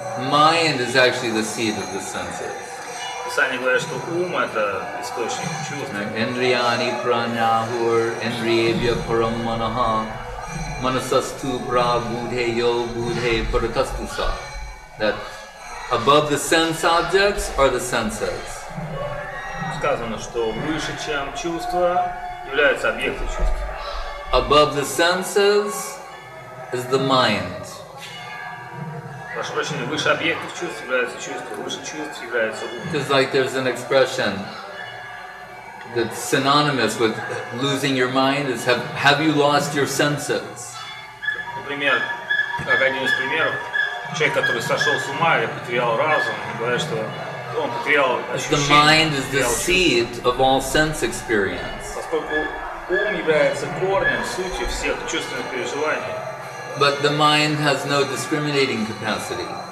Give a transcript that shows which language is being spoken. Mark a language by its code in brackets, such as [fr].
[en] Mind is actually the seat of the senses. [ru] Писание говорит, что ум – это источник чувств. [sa] Индрияни пранахур, индриевья парам манаха, манасасту пра будхе йо будхе паратастуса. [en] That above the sense objects are the senses. [ru] Сказано, что выше, чем чувства, являются объекты чувств. [en] Above the senses is the mind. [ru] Прошу прощения, выше объектов чувств является чувство, выше чувств является ум. [en] It's like there's an expression that's synonymous with losing your mind is have you lost your senses? [ru] Например, как один из примеров, человек, который сошел с ума или потерял разум, говорит, что [en] The mind is the seat of all sense experience. But the mind has no discriminating capacity.